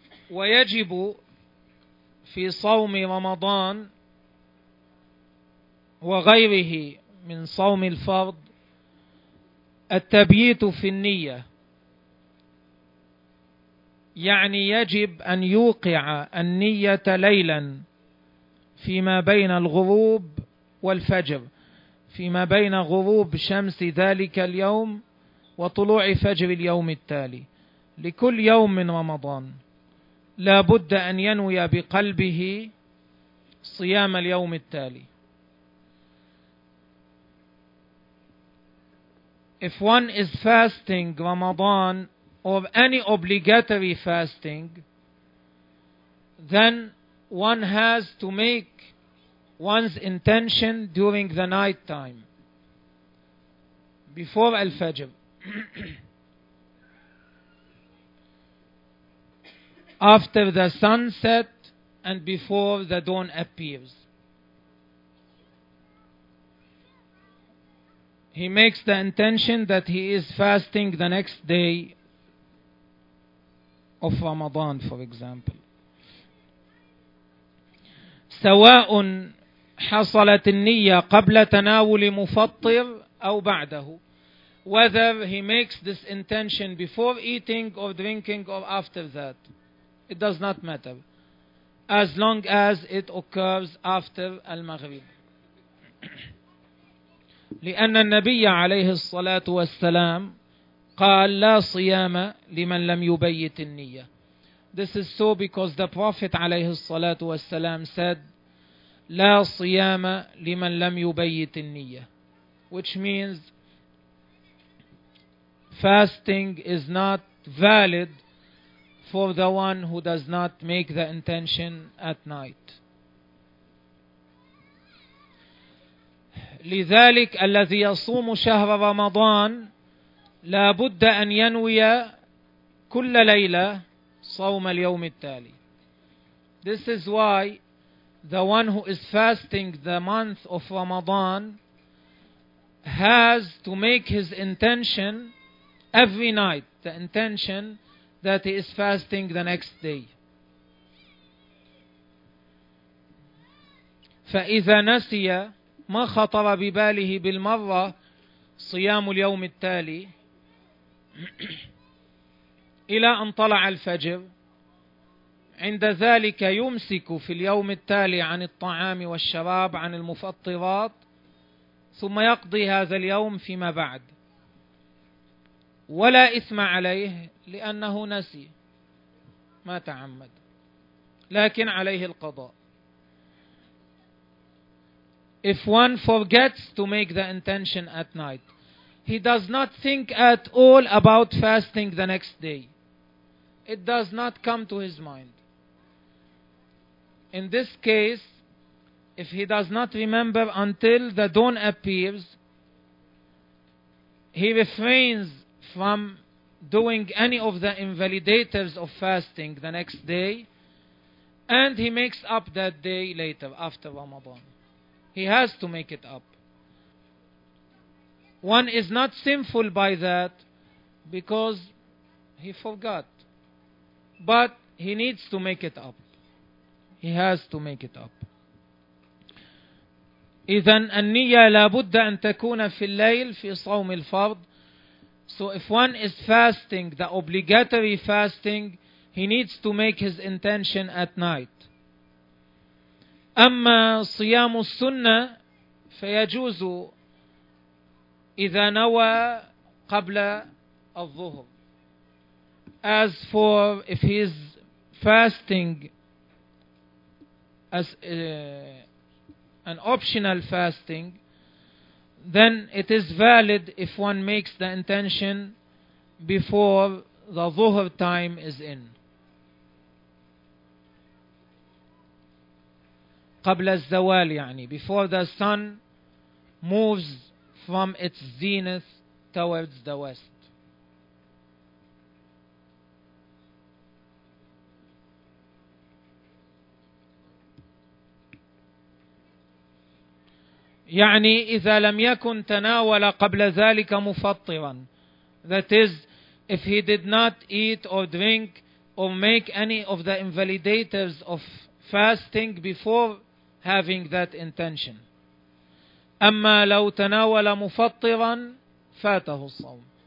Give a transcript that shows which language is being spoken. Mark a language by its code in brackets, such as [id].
[ar] ويجب في صوم رمضان وغيره من صوم الفرض التبييت في النية، يعني يجب أن يوقع النية ليلا فيما بين الغروب والفجر، فيما بين غروب شمس ذلك اليوم وطلوع فجر اليوم التالي. لكل يوم من رمضان لا بد أن ينوي بقلبه صيام اليوم التالي. [en] If one is fasting Ramadan or any obligatory fasting, then one has to make one's intention during the night time, before Al-Fajr. After the sunset and before the dawn appears, he makes the intention that he is fasting the next day of Ramadan, for example. [ar] سواء حصلت النية قبل تناول مفطر أو بعده. [en] Whether he makes this intention before eating or drinking or after that, it does not matter, as long as it occurs after al-Maghrib. [ar] لأن النبي عليه الصلاة والسلام قال لا صيام لمن لم يبيت النية. [en] This is so because the Prophet [ar] عليه الصلاة والسلام [en] said [ar] لا صيام لمن لم يبيت النية, [en] which means fasting is not valid for the one who does not make the intention at night. [ar] لذلك الذي يصوم شهر رمضان لا بد أن ينوي كل ليلة صوم اليوم التالي. [en] This is why the one who is fasting the month of Ramadan has to make his intention every night, the intention that he is fasting the next day. [ar] فإذا نسي ما خطر بباله بالمرة صيام اليوم التالي إلى أن طلع الفجر عند ذلك يمسك في اليوم التالي عن الطعام والشراب عن المفطرات ثم يقضي هذا اليوم فيما بعد ولا إثم عليه لأنه نسي ما تعمد لكن عليه القضاء. [en] If one forgets to make the intention at night, he does not think at all about fasting the next day. It does not come to his mind. In this case, if he does not remember until the dawn appears, he refrains from doing any of the invalidators of fasting the next day, and he makes up that day later, after Ramadan. He has to make it up. One is not sinful by that because he forgot. But he needs to make it up. He has to make it up. [ar] إذن النية لابد أن تكون في الليل في صوم الفرض. [en] So if one is fasting, the obligatory fasting, he needs to make his intention at night. [ar] أما صيام السنة فيجوز إذا نوى قبل الظهر. [en] As for if he is fasting as an optional fasting, then it is valid if one makes the intention before the ظهر time is in. [ar] قبل الزوال يعني, [en] before the sun moves from its zenith towards the west. [ar] يعني إذا لم يكن تناول قبل ذلك مفطرا, [en] that is if he did not eat or drink or make any of the invalidators of fasting before having that intention. [ar] أما لو تناول مفطرا فاته الصوم.